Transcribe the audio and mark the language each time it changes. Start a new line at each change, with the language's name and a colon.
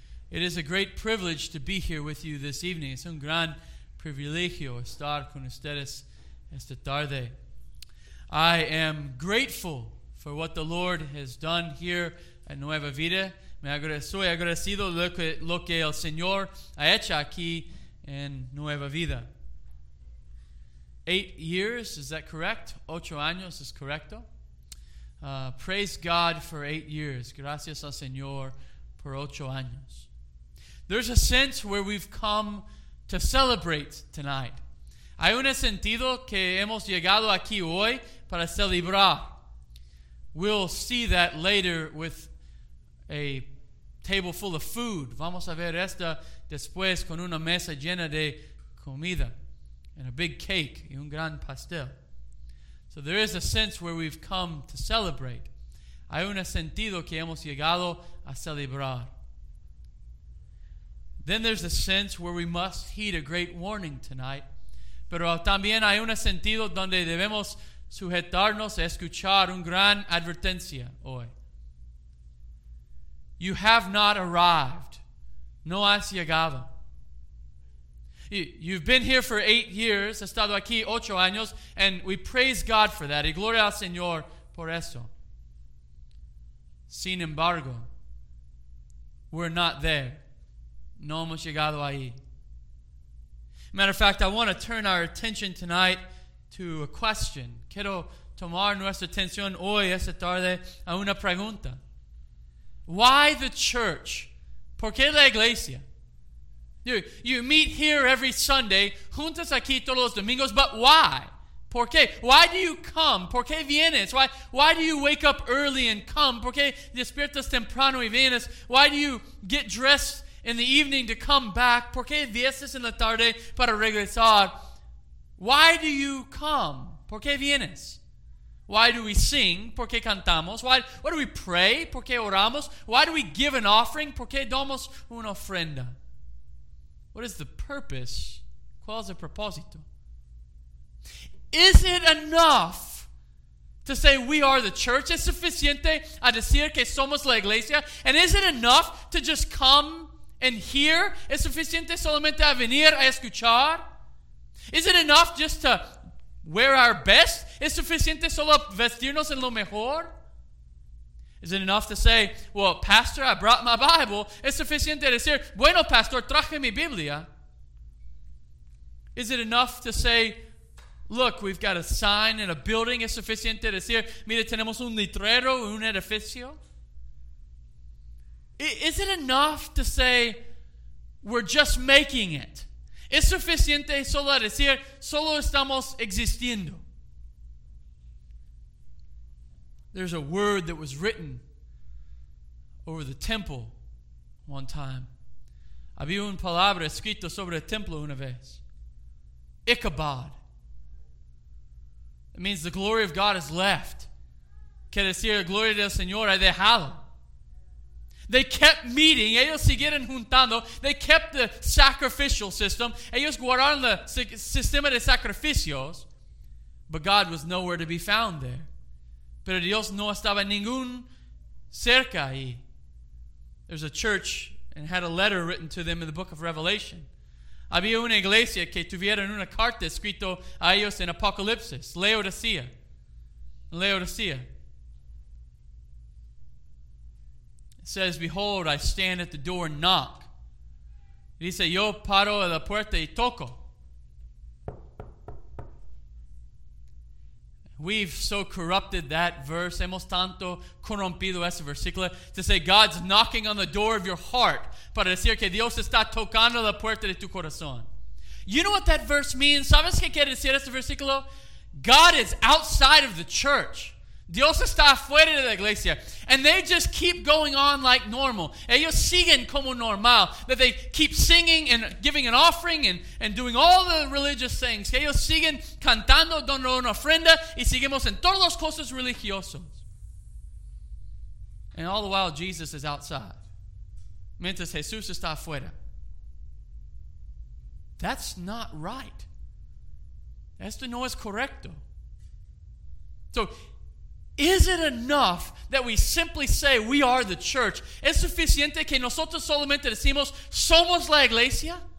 English: It is a great privilege to be here with you this evening.
Spanish: Es un gran privilegio estar con ustedes esta tarde.
English: I am grateful for what the Lord has done here at Nueva Vida.
Spanish: Soy agradecido lo que el Señor ha hecho aquí en Nueva Vida.
English: 8 years, is that correct?
Spanish: 8 años is correcto.
English: Praise God for 8 years.
Spanish: Gracias al Señor por 8 años.
English: There's a sense where we've come to celebrate tonight.
Spanish: Hay un sentido que hemos llegado aquí hoy para celebrar.
English: We'll see that later with a table full of food.
Spanish: Vamos a ver esta después con una mesa llena de comida
English: and a big cake
Spanish: y un gran pastel.
English: So there is a sense where we've come to celebrate.
Spanish: Hay un sentido que hemos llegado a celebrar.
English: Then there's a sense where we must heed a great warning tonight.
Spanish: Pero también hay un sentido donde debemos sujetarnos a escuchar un gran advertencia hoy.
English: You have not arrived.
Spanish: No has llegado.
English: You've been here for 8 years.
Spanish: Has estado aquí 8 años.
English: And we praise God for that.
Spanish: Y gloria al Señor por eso. Sin embargo,
English: we're not there.
Spanish: No hemos llegado ahí.
English: Matter of fact, I want to turn our attention tonight to a question.
Spanish: Quiero tomar nuestra atención hoy, esta tarde, a una pregunta.
English: Why the church?
Spanish: ¿Por qué la iglesia?
English: You meet here every Sunday,
Spanish: juntas aquí todos los domingos,
English: but why?
Spanish: ¿Por qué?
English: Why do you come?
Spanish: ¿Por qué vienes?
English: Why do you wake up early and come?
Spanish: ¿Por qué despiertas temprano y vienes?
English: Why do you get dressed in the evening to come back?
Spanish: ¿Por qué vienes en la tarde para regresar?
English: Why do you come?
Spanish: ¿Por qué vienes?
English: Why do we sing?
Spanish: ¿Por qué cantamos?
English: Why do we pray?
Spanish: ¿Por qué oramos?
English: Why do we give an offering?
Spanish: ¿Por qué damos una ofrenda?
English: What is the purpose?
Spanish: ¿Cuál es el propósito?
English: Is it enough to say we are the church?
Spanish: ¿Es suficiente a decir que somos la iglesia?
English: And is it enough to just come and hear?
Spanish: ¿Es suficiente solamente a venir a escuchar?
English: Is it enough just to wear our best?
Spanish: ¿Es suficiente solo vestirnos en lo mejor?
English: Is it enough to say, well, pastor, I brought my Bible?
Spanish: ¿Es suficiente decir, bueno, pastor, traje mi Biblia?
English: Is it enough to say, look, we've got a sign in a building?
Spanish: ¿Es suficiente decir, mire, tenemos un letrero, un edificio?
English: Is it enough to say, we're just making it?
Spanish: ¿Es suficiente solo decir, solo estamos existiendo?
English: There's a word that was written over the temple one time.
Spanish: Había una palabra escrita sobre el templo una vez.
English: Ichabod. It means the glory of God is left.
Spanish: Quiere decir, la gloria del Señor ha dejado.
English: They kept meeting.
Spanish: Ellos siguieron juntando.
English: They kept the sacrificial system.
Spanish: Ellos guardaron el sistema de sacrificios.
English: But God was nowhere to be found there.
Spanish: Pero Dios no estaba ningún cerca ahí.
English: There's a church and had a letter written to them in the book of Revelation.
Spanish: Había una iglesia que tuvieron una carta escrito a ellos en Apocalipsis. Laodicea. Laodicea.
English: It says, "Behold, I stand at the door and knock."
Spanish: Dice, "Yo paro a la puerta y toco." We've so corrupted that verse. Hemos tanto corrompido ese versículo
English: to say God's knocking on the door of your heart
Spanish: para decir que Dios está tocando la puerta de tu corazón.
English: You know what that verse means?
Spanish: ¿Sabes qué quiere decir ese versículo?
English: God is outside of the church.
Spanish: Dios está afuera de la iglesia.
English: And they just keep going on like normal.
Spanish: Ellos siguen como normal.
English: That they keep singing and giving an offering and doing all the religious things.
Spanish: Que ellos siguen cantando, dando una ofrenda, y seguimos en todas las cosas religiosas.
English: And all the while, Jesus is outside.
Spanish: Mientras Jesús está afuera.
English: That's not right.
Spanish: Esto no es correcto.
English: So, is it enough that we simply say we are the church?
Spanish: ¿Es suficiente que nosotros solamente decimos somos la iglesia?